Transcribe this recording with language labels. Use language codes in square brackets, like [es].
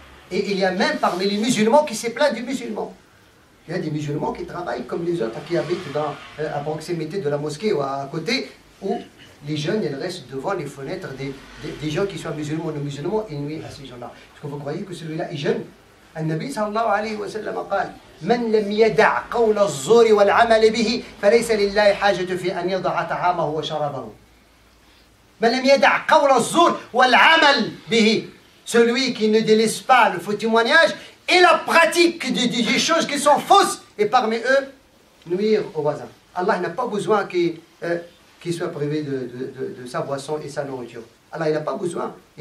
[fr] Et il y a même parmi les musulmans qui se plaignent du musulman. Il y a des musulmans qui travaillent comme les autres, qui habitent à proximité de la mosquée ou à côté, où les jeunes ils restent devant les fenêtres des gens qui sont musulmans ou non musulmans et nuit à ces gens-là. Est-ce que vous croyez que celui-là est jeune? [ar] النبي صلى الله عليه وسلم قال: من لم يدع قول الزور والعمل به فليس لله حاجة في أن يضع طعامه وشرابه. من لم يدع قول الزور والعمل به، [fr] celui qui ne délaisse pas le faux témoignage et la pratique des choses qui sont fausses et parmi eux nuire aux voisins. Allah n'a pas besoin qu'il soit privé de sa boisson et sa nourriture. Allah n'a pas besoin.